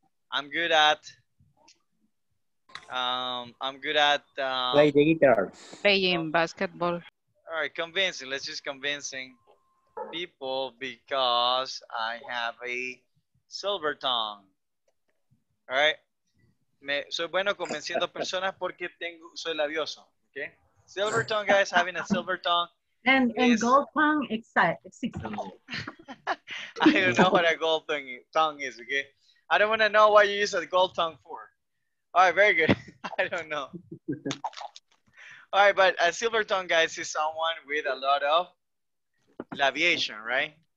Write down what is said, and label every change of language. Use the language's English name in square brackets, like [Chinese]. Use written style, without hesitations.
[English] play the guitar. Playing basketball. All right, convincing. Let's just convincing people because I have a silver tongue. All right. [Spanish] Soy bueno convenciendo personas porque tengo soy labioso. [English] Okay. Silver tongue, guys, having a silver tongue. And gold tongue exists. I don't know what a gold tongue is. Okay. I don't want to know what you use a gold tongue for. All right, very good. I don't know. All right, but a silver tongue, guys, is someone with a lot of labiation, right?